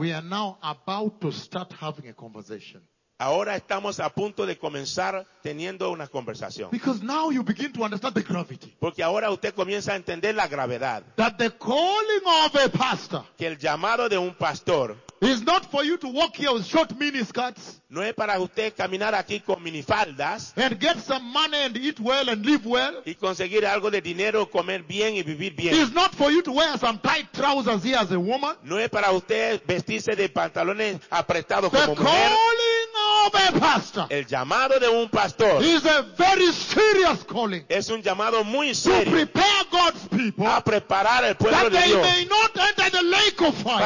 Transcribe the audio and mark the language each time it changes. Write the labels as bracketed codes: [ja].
[en] We are now about to start having a conversation. [es] Ahora estamos a punto de comenzar teniendo una conversación. [en] Because now you begin to understand the gravity. [es] Porque ahora usted comienza a entender la gravedad. [en] That the calling of a pastor, [es] que el llamado de un pastor, [en] is not for you to walk here with short miniskirts, [es] no es para usted caminar aquí con minifaldas, [en] and get some money and eat well and live well, [es] y conseguir algo de dinero, comer bien y vivir bien. [en] Is not for you to wear some tight trousers here as a woman, [es] no es para usted vestirse de pantalones apretados [en] the [es] como mujer. [en] Calling of a pastor, [es] el llamado de un pastor, [en] is a very serious calling, [es] es un llamado muy serio, [en] to prepare God's people, [es] a preparar el pueblo de Dios, [en] may not enter the lake of fire,